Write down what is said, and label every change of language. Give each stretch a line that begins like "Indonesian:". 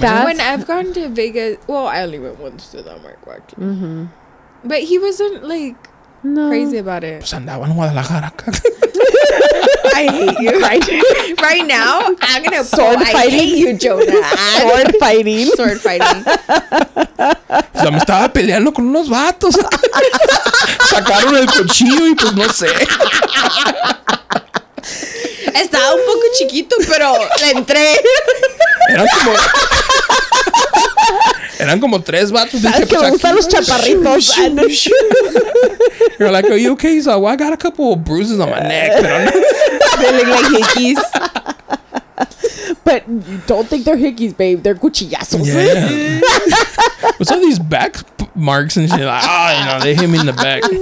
English: That's when I've gone to Vegas. Well, I only went once to the Mark Watch. Mm-hmm. But he wasn't like. No. Crazy about it.
Spanish: Pues andaba en Guadalajara.
English: I hate you. Right now, I'm going to sword fighting. I hate you, Jonah. Sword fighting. Sword fighting.
Spanish: Ya me estaba peleando con unos vatos. Sacaron el cuchillo y pues no sé. Estaba un poco chiquito, pero le entré. Eran como tres vatos. Dije, que pues, gustan los chaparritos.
English: You're like, "Are you okay?" He's like, "Well, I got a couple of bruises on my neck." They look like hickeys. But don't think they're hickeys, babe. They're cuchillazos. Yeah. What's all these back marks and shit? Like, oh, you know, they hit me in the back.